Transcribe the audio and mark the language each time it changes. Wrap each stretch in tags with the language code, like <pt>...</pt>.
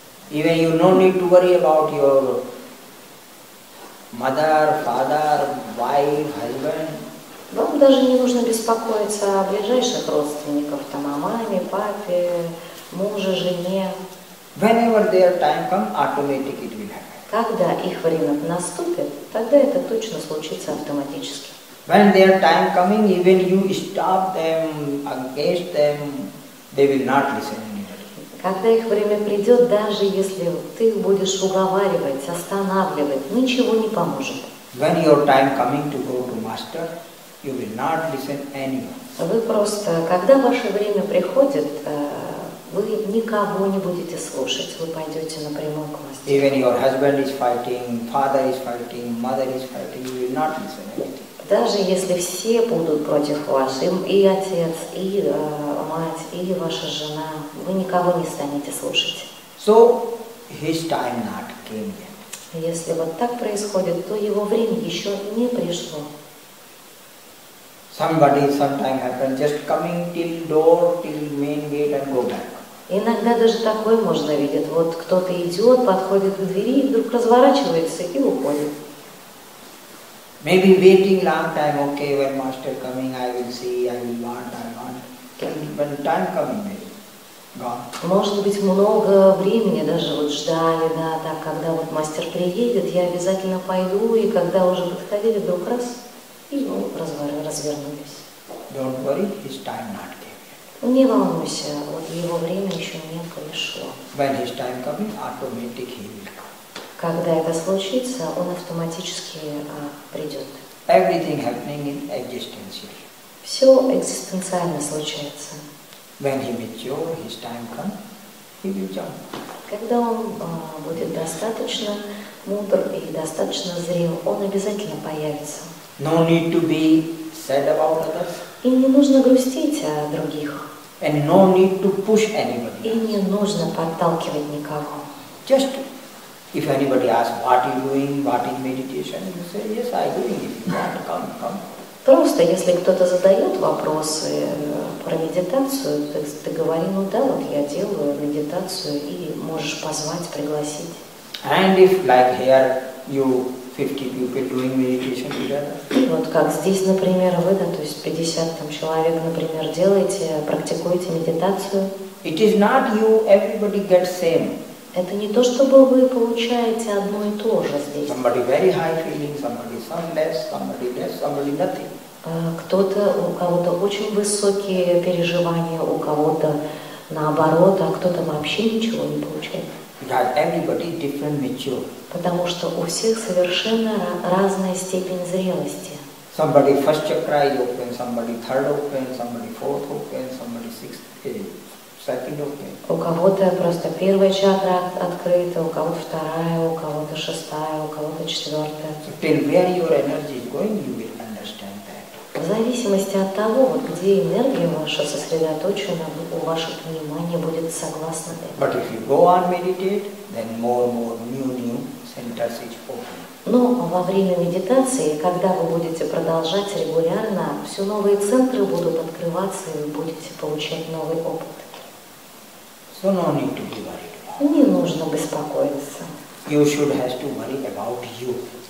<en>Even you no need to worry about your mother, father, wife, husband.</en> <ru>Вам даже не нужно беспокоиться о ближайших родственниках, там, о маме, папе, муже, жене.</ru> <en>Whenever their time comes, automatically it will happen.</en> <ru>Когда их время наступит, тогда это точно случится автоматически.</ru> <en>When their time coming, even you stop them, against them, they will not listen anymore.</en> <ru>Когда их время придет, даже если ты будешь уговаривать, останавливать, ничего не поможет.</ru> <en>When your time coming to go to master, you will not listen anymore.</en> <ru>Вы просто, когда ваше время приходит, вы никого не будете слушать, вы пойдете напрямую к мастеру.</ru> <en>Even your husband is fighting, father is fighting, mother is fighting, you will not listen anything.</en> <ru>Даже если все будут против вас, и отец, и мать, и ваша жена, вы никого не станете слушать.</ru> <en>So his time not came yet.</en> <ru>Если вот так происходит, то его время еще не пришло.</ru> <en>Somebody sometime happens just coming till door, till main gate and go back.</en> <ru>Иногда даже такое можно видеть. Вот кто-то идет, подходит к двери, вдруг разворачивается и уходит.</ru> <en>Maybe waiting long time, okay, when master coming, I will see, I will want. When time coming, maybe. Gone.</en> <ru>Может быть, много времени даже вот ждали, да, так, когда вот мастер приедет, я обязательно пойду, и когда уже подходили, вдруг раз, и развернулись.</ru> <en>Don't worry, his time not came yet.</en> <ru>Не волнуйся, вот его время еще не пришло.</ru> <en>When his time coming, automatic he will come.</en> <ru>Когда это случится, он автоматически придет.</ru> <en>Everything happening in existential.</en> <ru>Все экзистенциально случается.</ru> <en>When he mature, his time comes, he will jump.</en> <ru>Когда он будет достаточно мудр и достаточно зрел, он обязательно появится.</ru> <en>No need to be sad about others.</en> <ru>И не нужно грустить о других.</ru> <en>And no need to push anybody.</en> <ru>И не нужно подталкивать никого.</ru> <en>Just if anybody asks, what are you doing, what is meditation, you say, yes, I'm doing it, you want to come, come.</en> <ru>Просто если кто-то задает вопросы про медитацию, ты говори, ну да, вот я делаю медитацию, и можешь позвать, пригласить.</ru> <en>And if, like here, you 50 people doing meditation together.</en> <ru>Вот как здесь, например, вы, да, то есть 50 там, человек, например, делаете, практикуете медитацию.</ru> <en>It is not you, everybody gets same.</en> <ru>Это не то, чтобы вы получаете одно и то же здесь.</ru> <en>Somebody very high feeling, somebody some less, somebody less, somebody nothing.</en> <ru>Кто-то, у кого-то очень высокие переживания, у кого-то наоборот, а кто-то вообще ничего не получает.</ru> <en>Yeah, everybody different mature.</en> <ru>Потому что у всех совершенно разная степень зрелости.</ru> <en>Somebody first chakra is open, somebody third open, somebody fourth open, somebody sixth open.</en> <ru>У кого-то просто первая чакра открыта, у кого-то вторая, у кого-то шестая, у кого-то четвертая.</ru> <en>So, till where your energy is going, you will understand that.</en> <ru>В зависимости от того, где энергия ваша сосредоточена, у вашего понимания будет согласно этому.</ru> <en>But if you go on meditate, then more new centers is open.</en> <ru>Но во время медитации, когда вы будете продолжать регулярно, все новые центры будут открываться, и вы будете получать новый опыт.</ru> <en>So no need to be worried about.</en> <ru>Не нужно беспокоиться.</ru> <en>You should have to worry about you.</en>